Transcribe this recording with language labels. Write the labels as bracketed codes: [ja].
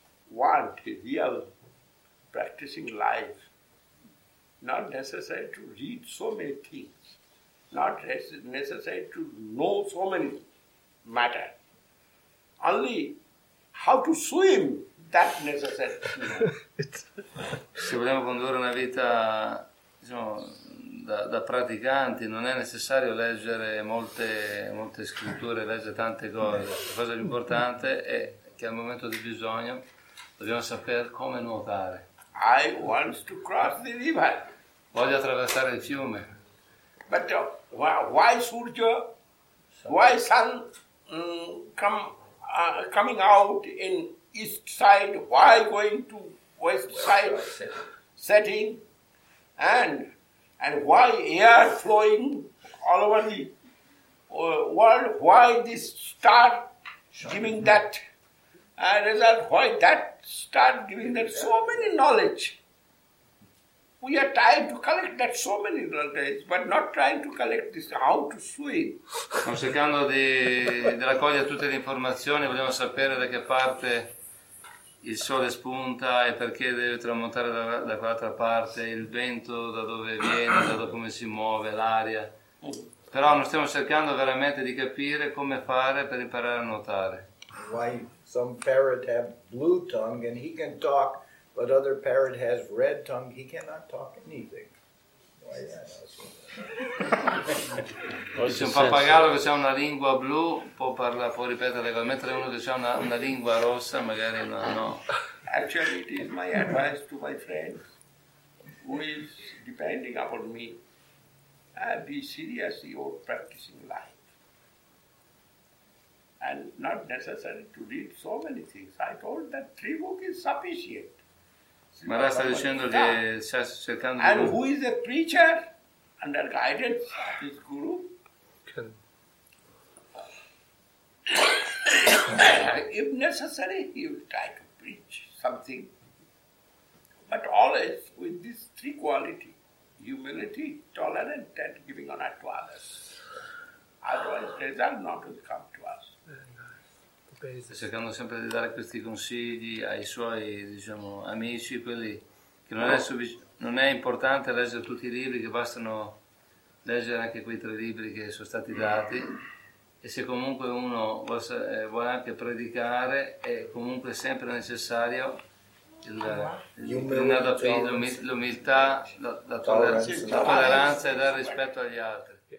[en] Want a real practicing life, not necessary to read so many things, not necessary to know so many matter. Only how to swim, that necessary. [it] Se vogliamo condurre una vita, diciamo, da praticanti, non è necessario leggere molte scritture, leggere tante cose. La cosa più importante è che al momento di bisogno dobbiamo sapere come nuotare. [en] I want to cross the river. [it] Voglio attraversare il fiume. [en] But why Surya, why sun coming out in east side, why going to west side setting? And why air flowing all over the world? Why this star giving that result? Why that star giving that? So many knowledge. We are trying to collect that so many knowledge, but not trying to collect this how to swim. [it] Sto cercando di raccogliere tutte le informazioni. Vogliamo sapere da che parte il sole spunta e perché deve tramontare da quell'altra parte, il vento da dove viene, da come si muove, l'aria. Però non stiamo cercando veramente di capire come fare per imparare a nuotare. [en] Why some parrot have blue tongue and he can talk, but other parrot has red tongue, he cannot talk anything. [it] Se un pappagallo che ha una lingua blu può parlare, può ripetere, mentre uno che ha una lingua rossa magari no. [en] Actually, it is my advice to my friend who is depending upon me. Be serious in your practicing life. And not necessary to read so many things. I told that 3 books is sufficient. [it] Ma la sta dicendo che sta cercando. [en] And who is a preacher under guidance of his guru? If necessary, he will try to preach something. But always with these 3 qualities: humility, tolerance, and giving honor to others. Otherwise, result not will come to us. [it] Cercando sempre di dare questi consigli ai suoi, diciamo, amici, quelli che non è, non è importante leggere tutti i libri, che bastano leggere anche quei 3 libri che sono stati dati, e se comunque uno vuole anche predicare, è comunque sempre necessario l'umiltà, la tolleranza e dare rispetto agli altri.